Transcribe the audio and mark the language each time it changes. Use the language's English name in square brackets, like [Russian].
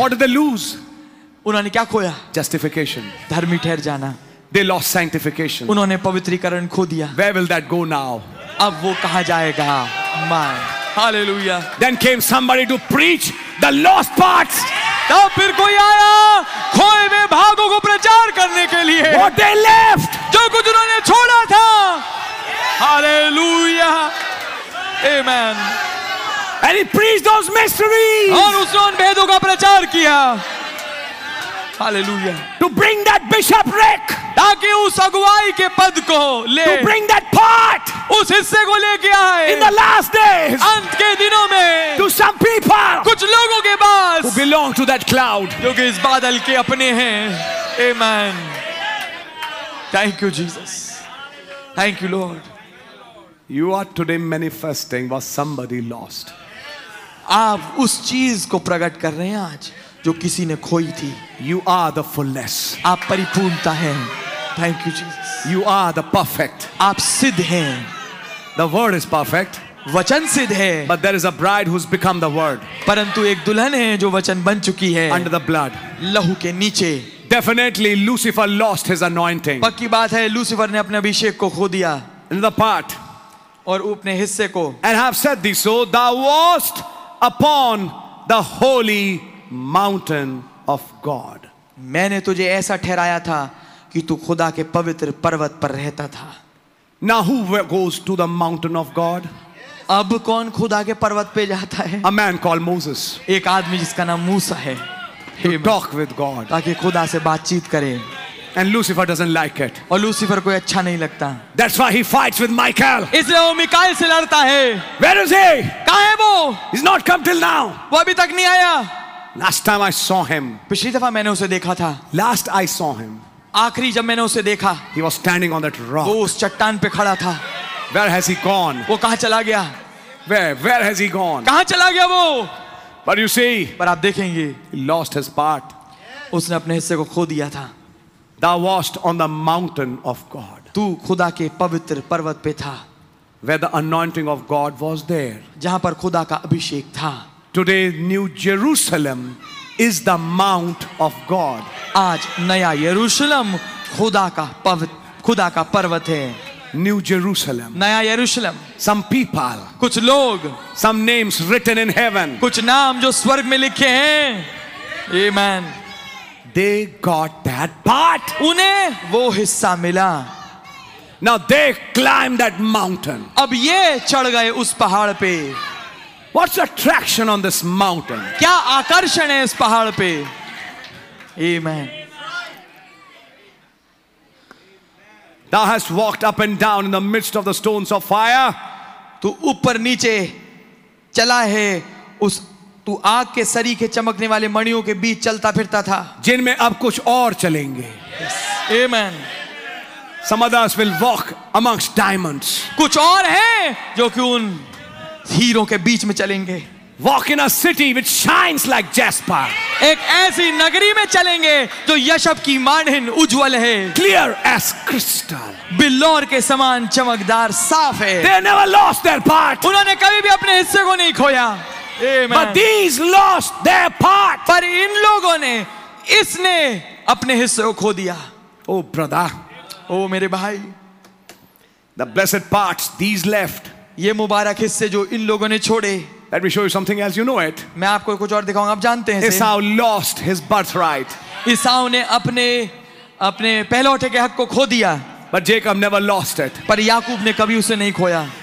[English] What did they lose? [Hindi] उन्होंने क्या खोया? [English] Justification. [Hindi] धर्मी ठहर जाना. [English] They lost sanctification. [Hindi] उन्होंने पवित्रीकरण खो दिया. [English] Where will that go now? [Hindi] अब वो कहां जाएगा? [English] My. Hallelujah. Then came somebody to preach the lost parts. [Hindi] तब फिर कोई आया खोए हुए भागों को प्रचार करने के लिए. [English] What they left. [Hindi] जो कुछ उन्होंने छोड़ा था. [English] Hallelujah. Amen. And he preached those mysteries. [Hindi] और उसने उन भेदों का प्रचार किया. [English] Hallelujah. To bring that bishopric. [Hindi] ताकि उस अगुवाई के पद को ले. [English] To bring that part. [Hindi] उस हिस्से को लेके आए. [English] In the last days. [Hindi] अंत के दिनों में. [English] To some people. [Hindi] कुछ लोगों के पास. [English] Who belong to that cloud. [Hindi] जो कि इस बादल के अपने हैं. [English] Amen. Thank you Jesus. Thank you Lord. You are today manifesting what somebody lost. [Hindi] आप उस चीज को प्रकट कर रहे हैं आज जो किसी ने खोई थी. [English] You are the fullness. [Hindi] आप परिपूर्णता हैं. [English] Thank you Jesus. You are the perfect. [Hindi] आप सिद्ध हैं. [English] The word is perfect. [Hindi] वचन सिद्ध है. [English] But there is a bride who's become the word. [Hindi] परंतु एक दुल्हन है जो वचन बन चुकी है. [English] Under the blood. [Hindi] लहू के नीचे. [English] Definitely Lucifer lost his anointing. [Hindi] पक्की बात है लूसीफर ने अपने अभिषेक को खो दिया. [English] In the part. [Hindi] और अपने हिस्से को. [English] And I have said this so thou wast upon the holy mountain of God. [Hindi] मैंने तुझे ऐसा ठहराया था कि तू खुदा के पवित्र पर्वत पर रहता था. [English] Now who goes to the mountain of God? [Hindi] अब कौन खुदा के पर्वत पे जाता है? [English] A man called Moses. [Hindi] एक आदमी जिसका नाम मूसा है. [English] To talk with God. [Hindi] ताकि खुदा से बातचीत करें. [English] And Lucifer doesn't like it. [Hindi] और लूसीफर को अच्छा नहीं लगता. [English] That's why he fights with Michael. [Hindi] इसलिए वो मिकाएल से लड़ता है. [English] Where is he? [Hindi] कहाँ है वो? [English] He's not come till now. [Hindi] वो अभी तक नहीं आया. [English] Last time I saw him. [Hindi] पिछली दफा मैंने उसे देखा था. [English] Last I saw him. [Hindi] आखिरी जब मैंने उसे देखा. [English] He was standing on that rock. [Hindi] वो उस चट्टान पे खड़ा था. [English] Where has he gone? [Hindi] वो कहाँ चला गया? [English] Where has he gone? [Hindi] कहाँ चला गया वो? [English] But you see, [Hindi] पर आप देखेंगे, [English] he lost his part. [Hindi] उसने अपने हिस्से को खो दिया था. The [English] Thou wast on the mountain of God. [Hindi] तू खुदा के पवित्र पर्वत पे था. [English] Where the anointing of God was there. [Hindi] जहाँ पर खुदा का अभिषेक था. [English] Today, New Jerusalem is the Mount of God. [Hindi] आज नया यरूशलम खुदा का पवित्र खुदा का पर्वत है. [English] New Jerusalem. [Hindi] नया यरूशलम. [English] Some people. [Hindi] कुछ लोग. [English] Some names written in heaven. [Hindi] कुछ नाम जो स्वर्ग में लिखे हैं. [English] Amen. They got that part. [Hindi] उन्हें वो हिस्सा मिला. [English] Now they climbed that mountain. [Hindi] अब ये चढ़ गए उस पहाड़ पे. [English] What's attraction on this mountain? [Hindi] क्या आकर्षण है इस पहाड़ पे? [English] Amen. Thou hast walked up and down in the midst of the stones of fire. [Hindi] तू ऊपर नीचे चला है उस तू आग के सरीखे चमकने वाले मणियों के बीच चलता फिरता था. जिनमें अब कुछ और चलेंगे. [English] Amen. Some others will walk amongst diamonds. [Hindi] कुछ और हैं जो कि उन हीरों के बीच में चलेंगे. [English] Walk in a city which shines like jasper. [Hindi] एक ऐसी नगरी में चलेंगे जो यशब की माणिन उज्जवल है. [English] Clear as crystal. [Hindi] बिल्लौर के समान चमकदार साफ है. [English] They never lost their part. [Hindi] उन्होंने कभी भी अपने हिस्से को नहीं खोया. [English] Amen. But these lost their part. [Hindi] पर इन लोगों ने इसने अपने हिस्से को खो दिया. [English] Oh brother. [Hindi] Oh मेरे भाई. [English] The blessed parts these left. [Hindi] ये मुबारक हिस्से जो इन लोगों ने छोड़े. [English] Let me show you something else. You know it. [Hindi] मैं आपको कुछ और दिखाऊंगा. आप जानते हैं. [English] Esau lost his birthright. [Hindi] Esau ने अपने पहलौठे के हक को खो दिया. [English] But Jacob never lost it. [Hindi] पर याकूब ने कभी उसे नहीं खोया.